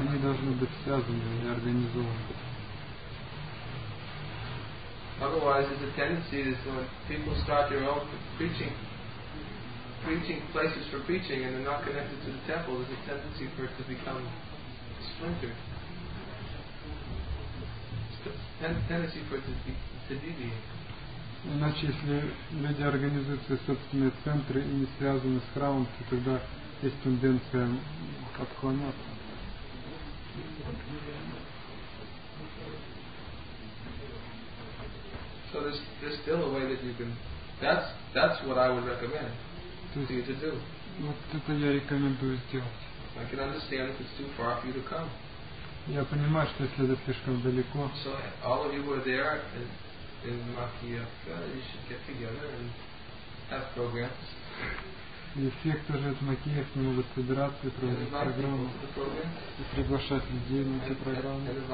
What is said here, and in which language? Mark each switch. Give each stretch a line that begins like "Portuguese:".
Russian: Они должны быть связаны и организованы.
English: Otherwise, the tendency is when people start their own preaching places for preaching and they're not connected to the temple, there's a tendency for it to become splintered. Tendency for it to deviate.
Russian: Иначе, если люди организуют свои собственные центры и не связаны с храмом, то тогда есть тенденция отклоняться.
English: So there's still a way that you can. That's what I would recommend.
Russian: Вот это я рекомендую сделать.
English: I can understand if it's too far for you to come.
Russian: Я понимаю, что если это слишком далеко.
English: So all of you who are there in Makayevka, you should get together and have programs.
Russian: И все, кто живет в Макеевке, могут собираться и проводить программы. И приглашать людей на эти программы.